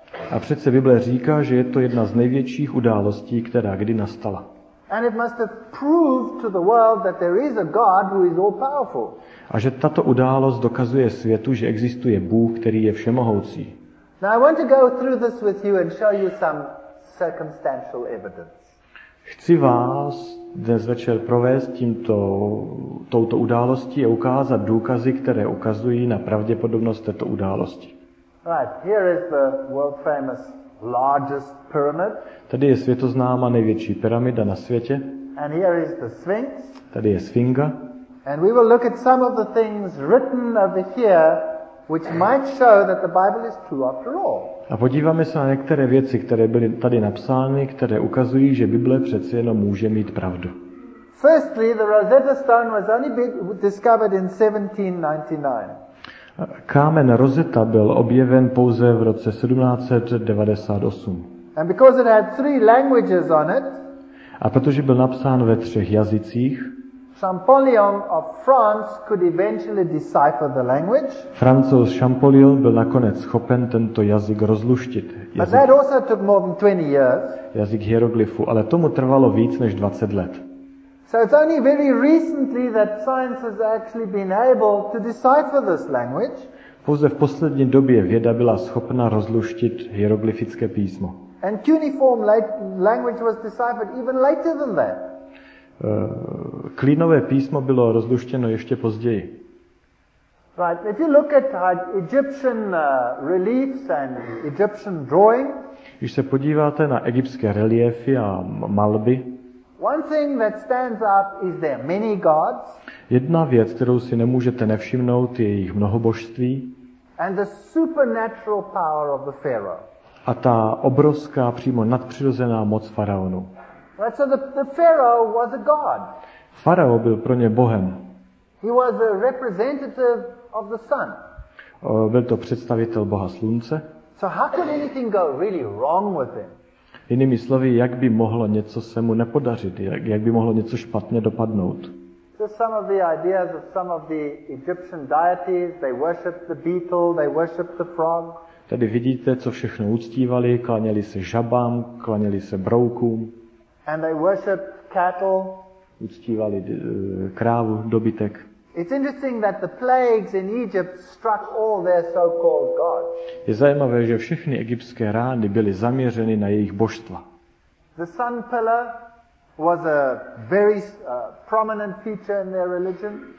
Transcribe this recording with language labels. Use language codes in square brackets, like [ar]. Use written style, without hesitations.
[cs] A přece Bible říká, že je to jedna z největších událostí, která kdy nastala. [en] And it must have proved to the world that there is a God who is all powerful. [cs] A že tato událost dokazuje světu, že existuje Bůh, který je všemohoucí. [en] Now I want to go through this with you and show you some circumstantial evidence. [cs] Chci vás dnes večer provést touto událostí a ukázat důkazy, které ukazují na pravděpodobnost této události. [en] Right, here is the world famous largest pyramid. [cs] Tady je světoznáma největší pyramida na světě. [en] And here is the Sphinx. [cs] Tady je Sfinga. [en] And we will look at some of the things written over here which might show that the Bible is true after all. [cs] A podíváme se na některé věci, které byly tady napsány, které ukazují, že Bible přece jenom může mít pravdu. [en] Firstly, the Rosetta Stone was only discovered in 1799. [cs] Kámen Rosetta byl objeven pouze v roce 1798. [en] And because it had three languages on it. [cs] A protože byl napsán ve třech jazycích. [en] Champollion of France could eventually decipher the language. [cs] Francouz Champollion byl nakonec schopen tento jazyk rozluštit. [en] But that also took more than 20 years. [cs] Jazyk hieroglyfu, ale tomu trvalo víc než 20 let. [en] So it's only very recently that science has actually been able to decipher this language. [cs] Pouze v poslední době věda byla schopna rozluštit hieroglyfické písmo. [en] And cuneiform language was deciphered even later than that. [cs] Klínové písmo bylo rozluštěno ještě později. [en] Right, if you look at Egyptian reliefs and Egyptian drawing, [cs] když se podíváte na egyptské reliéfy a malby, [en] one thing that stands out is their many gods. [cs] Jedna věc, kterou si nemůžete nevšimnout, je jejich mnohobožství. [en] And the supernatural power of the pharaoh. [cs] A ta obrovská, přímo nadpřirozená moc faraonu. [en] Right, so the pharaoh was a god. [cs] Farao byl pro ně bohem. [en] He was a representative of the sun. [cs] Byl to představitel boha slunce. [en] So how could anything go really wrong with him? [cs] Jinými slovy, jak by mohlo něco se mu nepodařit, jak by mohlo něco špatně dopadnout? [en] So some of the ideas of some of the Egyptian deities, they worshipped the beetle, they worshipped the frog. [cs] Tady vidíte, co všechno uctívali, klaněli se žabám, klaněli se broukům. [en] And they worshipped cattle. [cs] Uctívali krávu, dobytek. [en] It's interesting that the plagues in Egypt struck all their so-called gods. [cs] Je zajímavé, že všechny egyptské rány byly zaměřeny na jejich božstva. [en] The sun pillar was a very prominent feature in their religion.